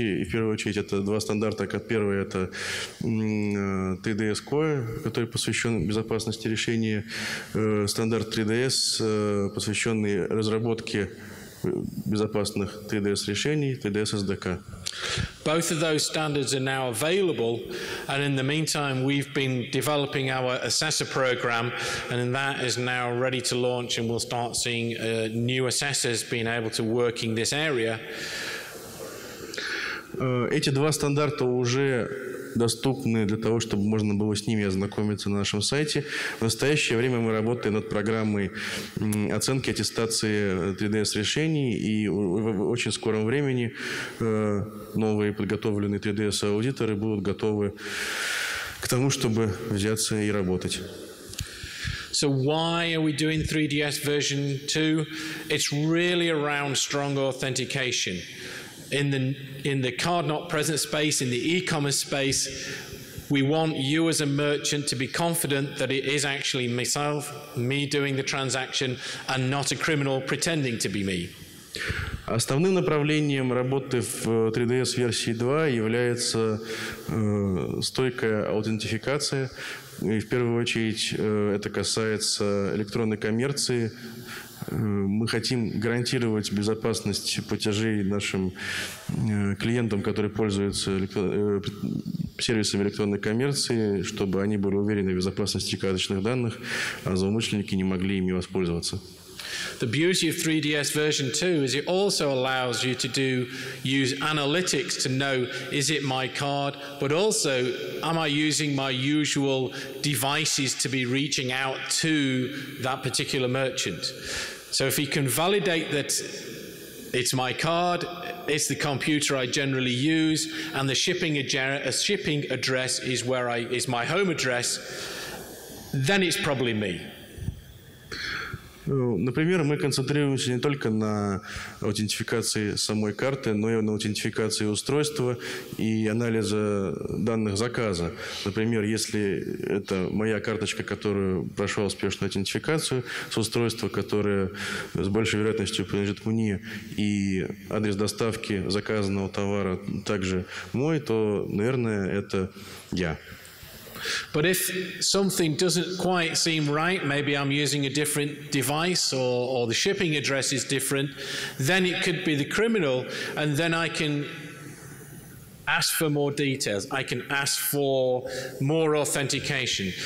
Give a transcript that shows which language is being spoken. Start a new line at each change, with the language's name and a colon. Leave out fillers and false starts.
Russian: И в первую очередь это два стандарта. Первый – это 3DS Core, который посвящен безопасности решения. Стандарт 3DS, посвященный разработке безопасных 3DS решений, 3DS SDK.
English: Both of those standards are now available, and in the meantime, we've been developing our assessor program, and that is now ready to launch, and we'll start seeing new assessors being able to work in this area.
Russian: Эти два стандарта уже доступны для того, чтобы можно было с ними ознакомиться на нашем сайте. В настоящее время мы работаем над программой оценки аттестации 3DS-решений, и в очень скором времени новые подготовленные 3DS-аудиторы будут готовы к тому, чтобы взяться и работать.
English: So why are we doing 3DS version 2? It's really around strong authentication. In the card-not-present space, in the e-commerce space, we want you as a merchant to be confident that it is actually myself, me doing the transaction, and not a criminal pretending to be me.
Russian: Основным направлением работы в 3DS версии 2 является стойкая аутентификация. И в первую очередь это касается электронной коммерции. Мы хотим гарантировать безопасность платежей нашим клиентам, которые пользуются сервисами электронной коммерции, чтобы они были уверены в безопасности карточных данных, а злоумышленники не могли ими воспользоваться.
English: The beauty of 3DS version 2 is it also allows you to use analytics to know, is it my card, but also, am I using my usual devices to be reaching out to that particular merchant? So if he can validate that it's my card, it's the computer I generally use, and the shipping address is where is my home address, then it's probably me.
Russian: Например, мы концентрируемся не только на аутентификации самой карты, но и на аутентификации устройства и анализа данных заказа. Например, если это моя карточка, которая прошла успешную аутентификацию с устройства, которое с большей вероятностью принадлежит мне, и адрес доставки заказанного товара также мой, то, наверное, это я.
English: But if something doesn't quite seem right, maybe I'm using a different device or the shipping address is different, then it could be the criminal, and then I can ask for more details. I can ask for more authentication.